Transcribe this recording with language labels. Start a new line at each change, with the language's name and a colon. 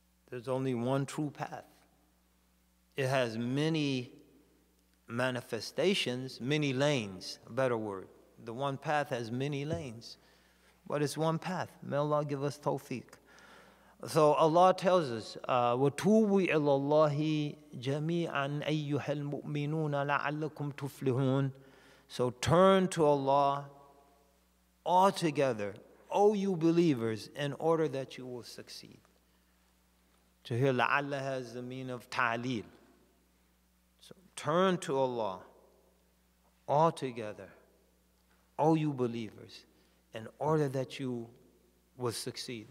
English: There's only one true path. It has many manifestations, many lanes, a better word. The one path has many lanes, but it's one path. May Allah give us tawfiq. So Allah tells us,
Arabic: وَتُوبُوا إِلَى اللَّهِ جَمِيعًا أَيُّهَا الْمُؤْمِنُونَ لَعَلَّكُمْ تُفْلِحُونَ.
English: So turn to Allah altogether, O you believers, in order that you will succeed. To hear la'alla has the meaning of ta'lil. So turn to Allah altogether, O you believers, in order that you will succeed.